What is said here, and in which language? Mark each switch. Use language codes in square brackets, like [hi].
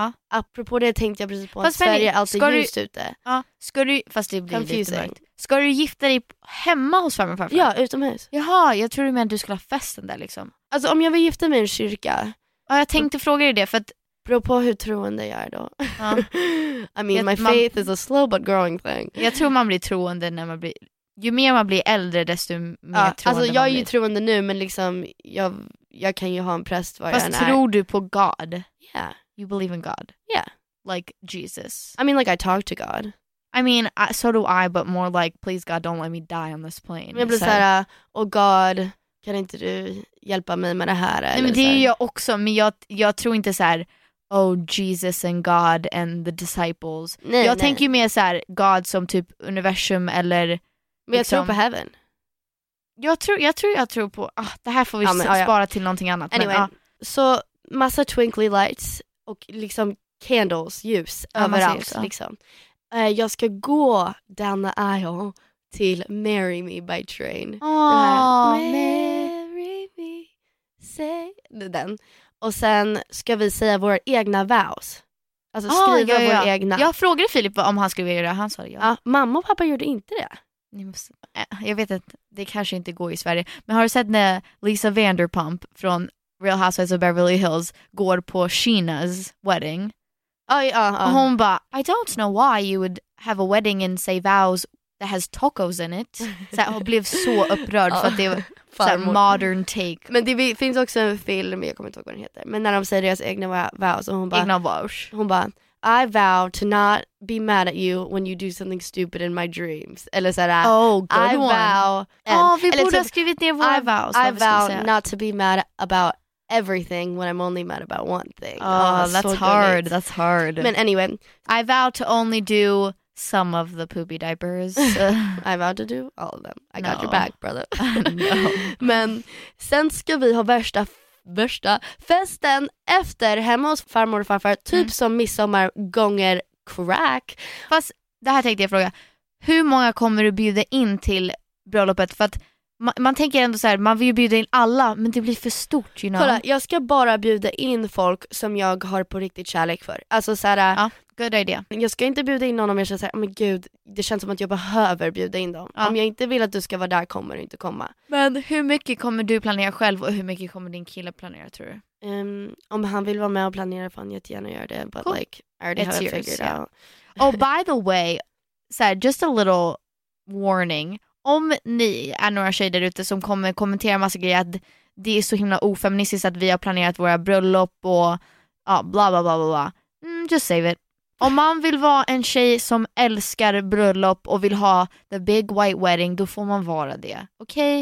[sv] Apropå det tänkte jag precis på att Sverige är alltid ljust ute. Ska du, fast det blir confusing. Lite mörkt. Ska du gifta dig hemma hos farmor och farfar? Ja, utomhus. Jaha, jag tror du menar att du skulle ha festen där liksom. Alltså om jag vill gifta mig i en kyrka. Ja, jag tänkte fråga dig det för att beror på hur troende jag är då. [en] I mean, my faith is a slow but growing thing. [sv] Jag tror man blir troende när man blir... Ju mer man blir äldre desto mer troende. Alltså jag är blir. Ju troende nu, men liksom jag kan ju ha en präst var fast jag än är. Fast tror du på God? [en] Yeah. You believe in God? Yeah. Like Jesus? I mean, like I talk to God. I mean, so do I, but more like, please God, don't let me die on this plane. [sv] Jag blir såhär, [en] oh God, [sv] kan inte du hjälpa mig med det här? Eller nej, men det är jag också, men jag tror inte såhär, [en] oh Jesus and God and the disciples. [sv] Nej, jag tänker ju mer såhär, God som typ universum eller... Men jag tror på heaven. Jag tror på, det här får vi spara till någonting annat. Anyway, så massa [en] twinkly lights [sv] och liksom candles, ljus överallt liksom. Jag ska gå [en] down the aisle [sv] till Marry Me by Train. [en] Marry [sv] me, say den. Och sen ska vi säga våra egna vows. Alltså skriva våra egna. Jag frågade Filip om han skulle göra det. Han sa det. Ja, mamma och pappa gjorde inte det. Jag vet att det kanske inte går i Sverige. Men har du sett när Lisa Vanderpump från Real Housewives of Beverly Hills går på Sheena's wedding? Hon bara, [en] I don't know why you would have a wedding and say vows that has tacos in it. [sv] Så hon blev så upprörd för att det var så [en] modern take. [sv] Men det finns också en film, jag kommer inte ihåg vad den heter. Men när de säger deras egna vows och hon bara, egna vows. Hon bara, [en] I vow to not be mad at you when you do something stupid in my dreams. [sv] Eller så där, vi borde ha skrivit ner våra vows. [en] I vow not to be mad about everything when I'm only mad about one thing. That's hard. But anyway, I vow to only do some of the poopy diapers. I vow to do all of them. I got your back, brother. No. [sv] Men sen ska vi ha värsta festen efter hemma hos farmor och farfar, typ som midsommar gånger crack. Fast det här tänkte jag fråga, hur många kommer du bjuda in till bröllopet? För att man tänker ändå så här, man vill ju bjuda in alla, men det blir för stort, [en] you know? [sv] Kolla, jag ska bara bjuda in folk som jag har på riktigt kärlek för. Alltså så här, [en] good idea. [sv] Jag ska inte bjuda in någon om jag känner så här, [en] oh my [sv] gud, det känns som att jag behöver bjuda in dem. Om jag inte vill att du ska vara där kommer du inte komma. Men hur mycket kommer du planera själv och hur mycket kommer din kille planera, tror du? Om han vill vara med och planera får han jättegärna göra det. [en] But cool. Like, I already have it figured out. Oh, by the way, [sv] så här, [en] just a little warning. [sv] Om ni är några tjejer där ute som kommer kommentera massa grejer att det är så himla ofeministiskt att vi har planerat våra bröllop och bla bla bla bla bla. [en] Just save it. [sv] Om man vill vara en tjej som älskar bröllop och vill ha [en] the big white wedding, [sv] då får man vara det. Okej?